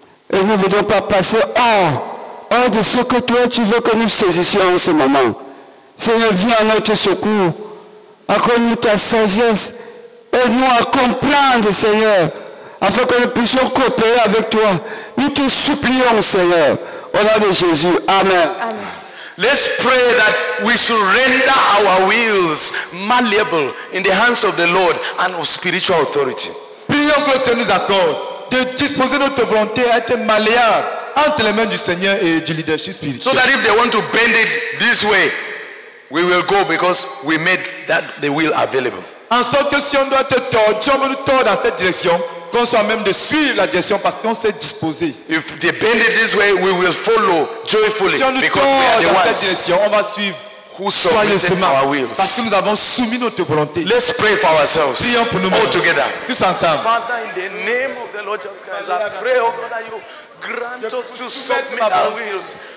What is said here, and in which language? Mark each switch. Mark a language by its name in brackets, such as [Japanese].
[French] Et nous ne voulons pas passer hors de ce que toi tu veux que nous saisissions en ce moment. Seigneur, viens à notre secours. Accorde-nous ta sagesse. Aide-nous à comprendre, Seigneur, afin que nous puissions coopérer avec toi. Nous te supplions, Seigneur. Au nom de Jésus. Amen. Amen. [English] Let's pray that we should render our wills malleable in the hands of the Lord and of spiritual authority. [French] Prions que le Seigneur nous accorde de disposer notre volonté à être malléable entre les mains du Seigneur et du leadership spirituel. [English] So that if they want to bend it this way, we will go because we made that the will available. [French] En sorte que si on doit te tordre, si on veut nous tordre dans cette direction, qu'on soit même de suivre la direction parce qu'on s'est disposé. [English] If they bend it this way, we will follow joyfully. [French] Si on nous tord dans cette direction, on va suivre [English] who submitted our wills. [French] Parce que nous avons soumis notre volonté. [English] Let's pray for ourselves. [French] Prions pour nous-mêmes. [English] All together. [French] Tous ensemble. [English] Father, in the name of the Lord Jesus Christ, I pray, oh God, that you grant us to submit our wills.